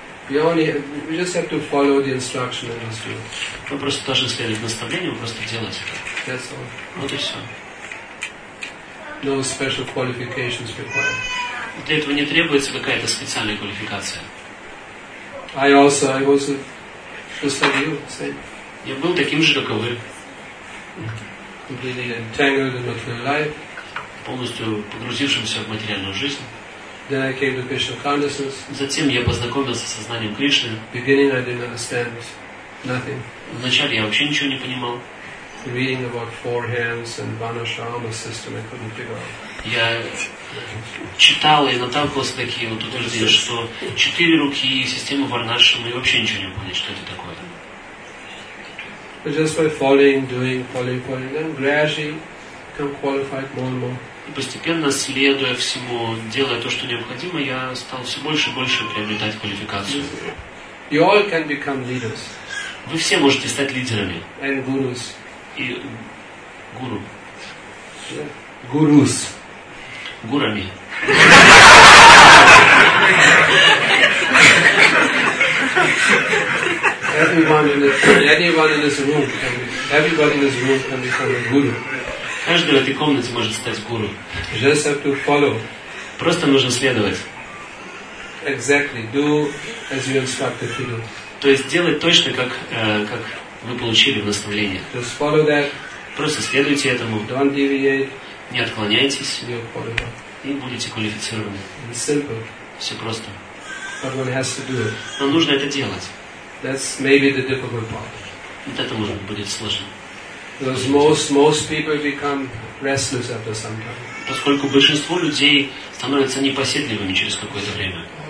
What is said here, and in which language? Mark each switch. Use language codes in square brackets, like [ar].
[en] We just have to follow the instruction and just do. [ru] Мы просто должны следовать наставлениям, просто делать это. [en] That's all. [ru] Вот и все. [en] No special qualifications required. [ru] Для этого не требуется какая-то специальная квалификация. [en] I also just like you, same. [ru] Я был таким же, как и вы. [en] Completely entangled in material life. [ru] Полностью погрузившимся в материальную жизнь. [en] Then I came to Krishna consciousness. [ru] Затем я познакомился с сознанием Кришны. [en] Beginning I didn't understand nothing. [ru] Вначале я вообще ничего не понимал. [en] Reading about four hands and Vanashrama system, I couldn't figure out. [ru] Я читал и наталкивался такие вот утверждения, что четыре руки и система Варнашрама, и вообще ничего не понял, что это такое. [en] But just by following, then gradually. [ru] И постепенно, следуя всему, делая то, что необходимо, я стал все больше и больше приобретать квалификацию. [en] You all can become leaders. [ru] Вы все можете стать лидерами. [en] And gurus. [ru] И гуру. [en] Yeah. Гурус. [ru] Гурами. [en] Everyone in this room can become a guru. [ru] Каждый в этой комнате может стать гуру. [en] Just have to follow. [ru] Просто нужно следовать. [en] Exactly. Do as you instructed to do. [ru] То есть делать точно, как вы получили в наставлении. [en] Just follow that. [ru] Просто следуйте этому. [en] Don't deviate. [ru] Не отклоняйтесь. [en] You'll follow that. [ru] И будете квалифицированы. [en] It's simple. [ru] Все просто. [en] But one has to do it. [ru] Но нужно это делать. [en] That's maybe the difficult part. [ru] Вот это может будет сложно. [en] Because most people become restless after some time. [ru] Поскольку большинство людей становятся непоседливыми через какое-то время.